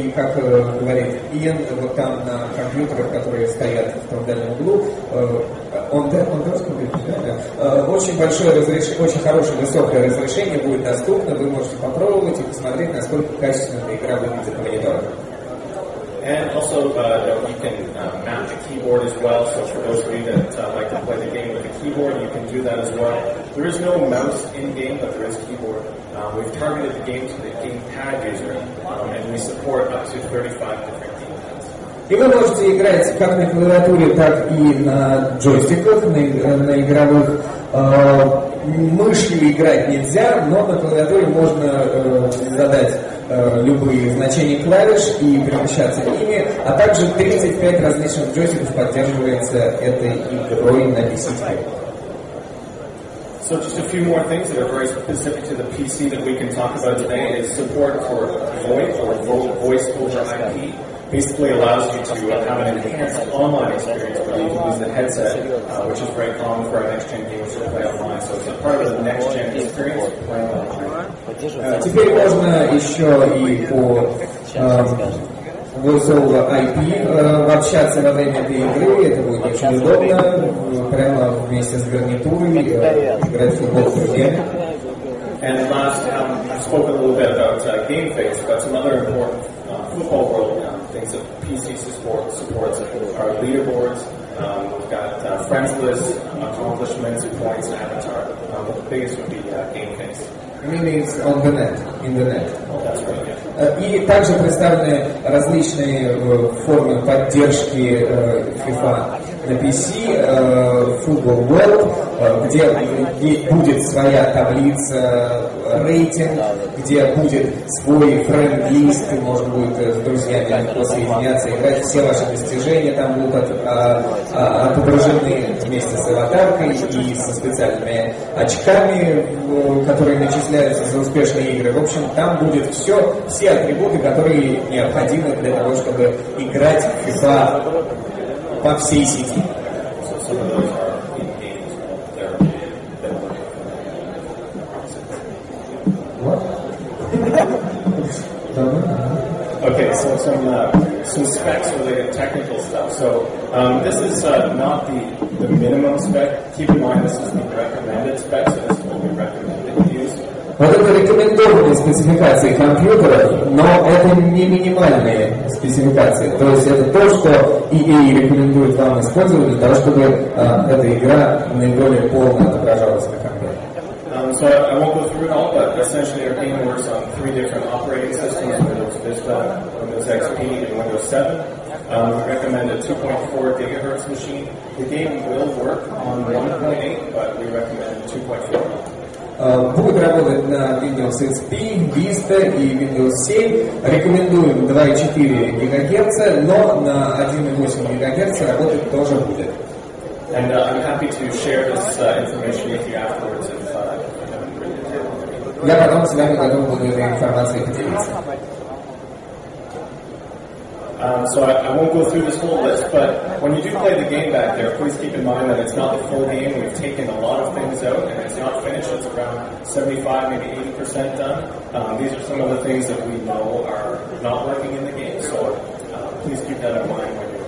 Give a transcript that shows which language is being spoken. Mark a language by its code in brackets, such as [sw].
[ru] И как говорит Иэн, вот там на компьютерах, которые стоят в том дальнем углу, очень большое разрешение, очень хорошее высокое разрешение будет доступно. Вы можете попробовать и посмотреть, насколько качественно игра выглядит на мониторах. [en] And also, you can mount the keyboard as well, so for those of you that like to play the game with a keyboard, you can do that as well. There is no mouse in-game, but there is keyboard. We've targeted the game to the GamePad user, and we support up to 35 different [ru] И вы можете играть как на клавиатуре, так и на джойстиках, на игровых. Мышью играть нельзя, но на клавиатуре можно задать любые значения клавиш и перемещаться ими. А также 35 различных джойстиков поддерживается этой игрой на PC. [en] So just a few more things that are very specific to the PC that we can talk about today is support for VoIP or voice over IP. Basically allows you to have an enhanced online experience where you can use the headset, which is very common for our next-gen gamers to play online. So it's a part of the next-gen experience playing online. [ru] Теперь можно еще и по VoiceOver IP общаться во время этой игры, это будет очень удобно, прямо вместе с гарнитурами играть в футбол в игре. [en] And last, I've spoken a little bit about GameFace, but some other important football world things that PC supports are leaderboards, we've got friends list, accomplishments, points, avatar, but the biggest would be GameFace. Meanings on the net, in the net. That's right, yeah. [ru] И также представлены различные формы поддержки FIFA на PC, Football World, где будет своя таблица, рейтинг, где будет свой френд-лист, и можно будет с друзьями посоединяться, играть, все ваши достижения там будут отображены вместе с аватаркой и со специальными очками, которые начисляются за успешные игры. В общем, там будет все атрибуты, которые необходимы для того, чтобы играть в FIFA по всей сети. [en] Okay, so some specs related technical stuff. So this is not the minimum spec. Keep in mind this is the recommended spec, so this will be recommended to use. [ru] Вот это рекомендованные спецификации компьютеров, но это не минимальные спецификации. То есть это то, что EA рекомендует вам использовать для того, чтобы эта игра наиболее полно отображалась на компьютере. [en] So I won't go through it all, but essentially our game works on three different operating systems, Windows Vista, Windows XP, and Windows 7. We recommend a 2.4 gigahertz machine. The game will work on 1.8, but we recommend 2.4. [ru] Будут работать на Windows XP, Vista и Windows 7. Рекомендуем 2.4 ГГц, но на 1.8 ГГц работать тоже будет. [en] And I'm happy to share this information with you afterwards. [ru] Я потом с вами потом буду этой информацией поделиться. [en] So I won't go through this whole list, but when you do play the game back there, please keep in mind that it's not the full game. We've taken a lot of things out, and it's not finished. It's around 75, maybe 80% done. These are some of the things that we know are not working in the game, so please keep that in mind.